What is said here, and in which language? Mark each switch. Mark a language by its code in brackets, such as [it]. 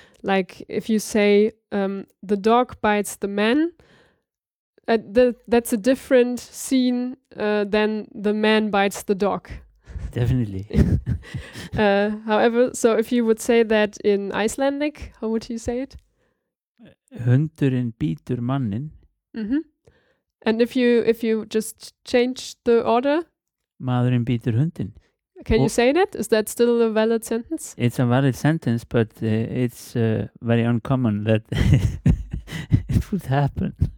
[en] Like if you say the dog bites the man, that's a different scene than the man bites the dog. Definitely. However, so if you would say that in Icelandic, how would you say it? [is] Hundurinn bítur manninn. [en] Mm-hmm. And if you just change the order? [is] Maðurinn bítur hundinn. [en] Can you say that? Is that still a valid sentence? It's a valid sentence, but it's very uncommon that it would happen.